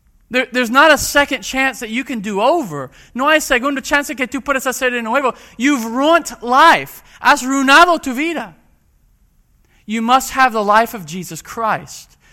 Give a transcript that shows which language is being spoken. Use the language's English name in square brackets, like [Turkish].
[English] There's not a second chance that you can do over. [Spanish] No hay segunda chance que tú puedes hacer de nuevo. You've ruined life. Has ruinado tu vida. [English] You must have the life of Jesus Christ.